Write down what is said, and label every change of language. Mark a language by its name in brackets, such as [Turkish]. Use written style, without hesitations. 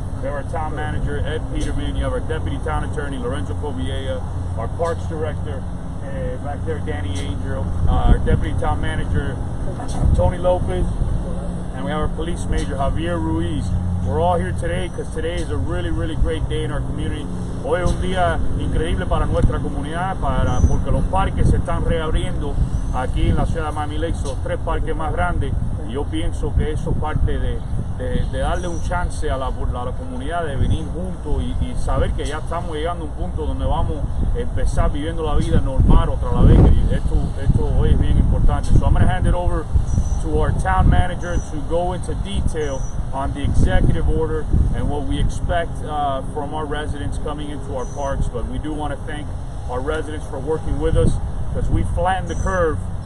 [English] We have our town manager, Ed Peterman. You have our deputy town attorney, Lorenzo Covilla. Our parks director, back there, Danny Angel. Our deputy town manager, Tony Lopez. And we have our police major, Javier Ruiz. We're all here today because today is a really, really great day in our community. [Spanish] Hoy es un día increíble para nuestra comunidad, para porque los parques se están reabriendo aquí en la ciudad de Miami Lakes, los tres parques más grandes. Y yo pienso que eso parte de darle un chance a la comunidad de venir juntos y saber que ya estamos llegando a un punto donde vamos a empezar viviendo la vida normal otra vez. Esto hoy es bien importante. [English] So I'm going to hand it over to our town manager to go into detail on the executive order and what we expect from our residents coming into our parks. But we do want to thank our residents for working with us because we flattened the curve.